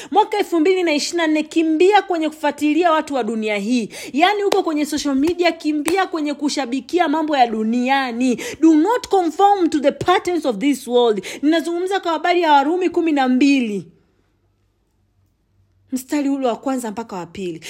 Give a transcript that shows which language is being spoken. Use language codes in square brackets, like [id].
[sw] Mwaka 2024, kimbia kwenye kufuatilia watu wa dunia hii. Yaani uko kwenye social media, kimbia kwenye kushabikia mambo ya duniani. [en] Do not conform to the patterns of this world. [sw] Ninazungumza kwa habari ya Warumi 12. Mstari ule wa kwanza mpaka wa pili.